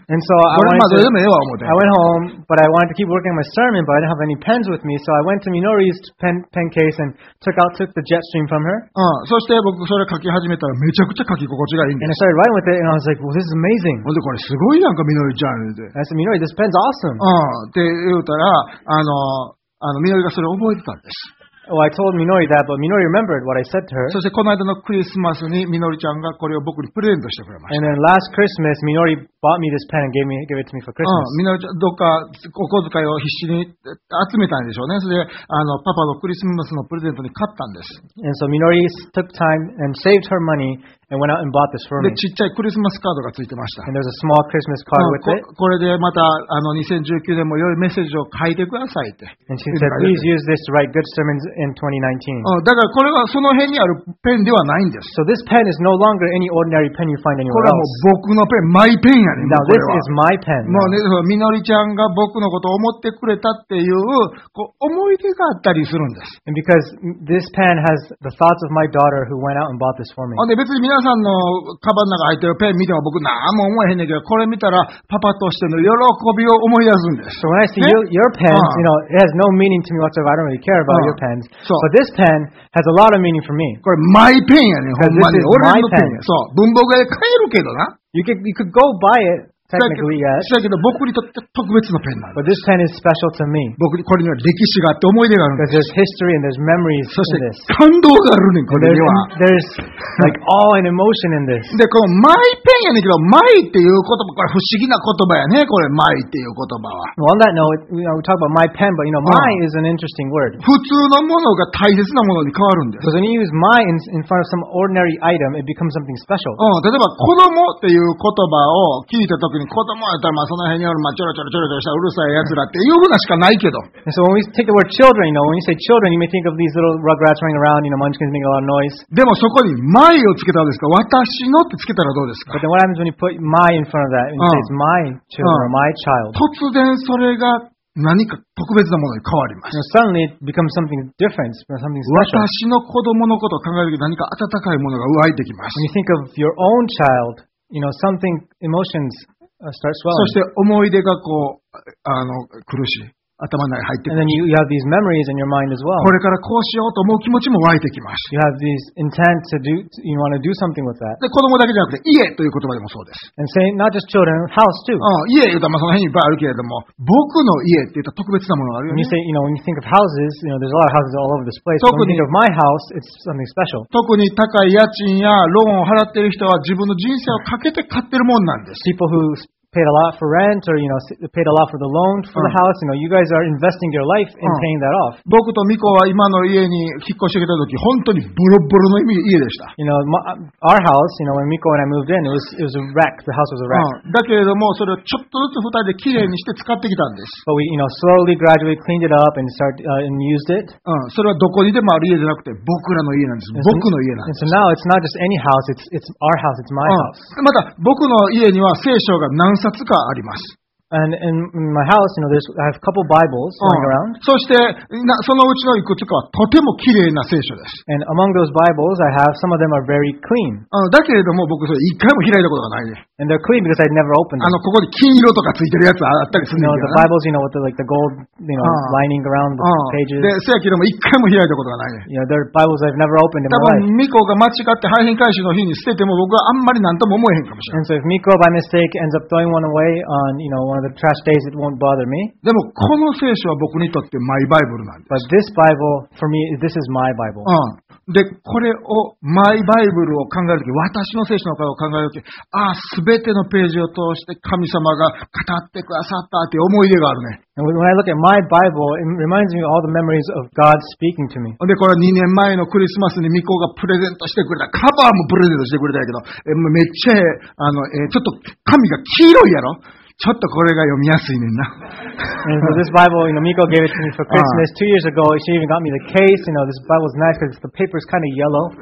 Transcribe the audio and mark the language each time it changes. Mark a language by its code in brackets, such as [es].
[en] And so I [ja] これまでもええわ、思って。 [en] I went home, but I wanted to keep working my sermon, but I didn't have any pens with me, so I went to Minori's pen case and took the jet stream from her. [ja] そして僕それ書き始めたら、めちゃくちゃ書き心地がいいんです。 [en] And I started writing with it, and I was like, well, this is amazing. [ja] で、これすごいなんか、みのりちゃん。 [en] I said, Minori, this pen's awesome. [ja] って言うたら、みのりがそれを覚えてたんです。 [en] Well, I told Minori that, but Minori remembered what I said to her. [ja] そしてこの間のクリスマスにみのりちゃんがこれを僕にプレゼントしてくれました。 [en] And then last Christmas, Minori bought me this pen and gave it to me for Christmas. [ja] みのりちゃん、どっかお小遣いを必死に集めたんでしょうね。それで、パパのクリスマスのプレゼントに買ったんです。 [en] And so Minori took time and saved her money and went out and bought this for me. [ja] で、ちっちゃいクリスマスカードがついてました。 [en] And there's a small Christmas card with it. [ja] これでまた、2019年も良いメッセージを書いてくださいって。 [en] And she said, please use this to write good sermons in 2019. [ja] だからこれはその辺にあるペンではないんです。 [en] So this pen is no longer any ordinary pen you find anywhere else. [ja] これはもう僕のペン、マイペンやねん。 [en] Now this is my pen. [ja] もうね、みのりちゃんが僕のことを思ってくれたっていう、思い出があったりするんです。 [en] And because this pen has the thoughts of my daughter who went out and bought this for me. [ja] で、別に皆さんのカバンの中に入ってるペン見ても僕何も思えへんねんけど、これ見たらパパとしての喜びを思い出すんです。 [en] So when I see、ね、your pens, you know, it has no meaning to me whatsoever. I don't really care about your pens. So, but this pen has a lot of meaning for me. [ja] これ [en] my pen [ja] やねん、ほんまに。 [en] This is my pen. [ja] そう、文房具屋で買えるけどな。 [en] You could go buy it technically yet. [ja] だけど僕にとって特別のペンなんです。 [en] But this pen is special to me. [ja] 僕にこれには歴史があって思い出があるんです。 [en] Because there's history and there's memories in this. [ja] そして感動があるねん、これには。 [en] There's like all an emotion in this. [ja] で、このマイペンやねんけど、マイっていう言葉、これ不思議な言葉やね、これマイっていう言葉は。 [en] Well, on that note, you know, we talk about my pen, but you know, my is an interesting word. [ja] 普通のものが大切なものに変わるんです。 [en] So when you use my in front of some ordinary item, it becomes something special. [ja] 例えば子供っていう言葉を聞いた時に子供やったらまあその辺にあるまあちょろちょろちょろちょろしたうるさいやつらっていうふうなしかないけど。 [en] So when we take the word children, you know, when you say children, you may think of these little rugrats running around, you know, munchkins making a lot of noise. [ja] でもそこに my をつけたんですか、私のってつけたらどうですか。 [en] But then what happens when you put my in front of that and say it's my children or my child? [ja] 突然それが何か特別なものに変わります。 [en] Now, suddenly it becomes something different, something special. [ja] 私の子供のことを考えると何か温かいものが湧いてきます。 [en] When you think of your own child, you know, something emotions start swelling. [ja] そして思い出がこう、苦しい。頭の中に入ってくる。 [en] And then you have these memories in your mind as well. [ja] これからこうしようと思う気持ちも湧いてきます。 [en] You have these intent to do, you want to do something with that. [ja] で、子供だけじゃなくて、家という言葉でもそうです。 [en] And say, not just children, house too. [ja] 家言うと、まあ、その辺にいっぱいあるけれども、僕の家って言うと特別なものがあるよね。 [en] When you say, you know, when you think of houses, you know, there's a lot of houses all over this place. 特に、when you think of my house, it's something special. [ja] 特に高い家賃やローンを払っている人は自分の人生をかけて買ってるもんなんです。 [en] People who paid a lot for rent or you know paid a lot for the loan for the house, you know you guys are investing your life in paying that off. [ja] 僕とミコは今の家に引っ越してきた時本当にボロボロの家でした。 [en] You know our house, you know when Miko and I moved in, it was a wreck. The house was a wreck. [ja] だけれどもそれをちょっとずつ二人で綺麗にして使ってきたんです。 [en] But we you know slowly gradually cleaned it up and start and used it. [ja] それはどこにでもある家じゃなくて僕らの家なんです。僕の家なんです。 [en] And so now it's not just any house, it's our house, it's my house. [ja] また僕の家には聖書が何冊かあります。 [en] And in my house, you know, there's I have a couple Bibles lying around. [ja] そしてそのうちのいくつかはとても綺麗な聖書です。 [en] And among those Bibles, I have some of them are very clean. [ja] だけれども僕それ一回も開いたことがないね。 [en] And they're clean because I'd never opened them. [ja] ここに金色とかついてるやつあったりするんだよね。 [en] No, the Bibles, you know, with the, like the gold, you know, lining around the pages. [ja] で、せやけども一回も開いたことがないね。 [en] Yeah, they're Bibles I've never opened in my life. [ja] 多分ミコが間違って配品回収の日に捨てても僕はあんまり何とも思えへんかもしれない。 [en] And so if Miko by mistake ends up throwing one away on, you know, one of the trash days, it won't bother me. [ja] でもこの聖書は僕にとってマイバイブルなんです。 [en] But this Bible for me, this is my Bible. [ja] で、これを、マイバイブルを考えるとき、私の聖書の会を考えるとき、ああ、すべてのページを通して神様が語ってくださったって思い出があるね。 [en] When I look at my Bible, it reminds me of all the memories of God speaking to me. [ja] で、これは2年前のクリスマスにミコがプレゼントしてくれた。カバーもプレゼントしてくれたけど、めっちゃ、ちょっと紙が黄色いやろ？ちょっとこれが読みやすいねんな。 [en] And so this Bible, you know, Miko gave it to me for Christmas 2 years ago. She even got me the case. You know, this Bible is nice because the paper is kind of yellow.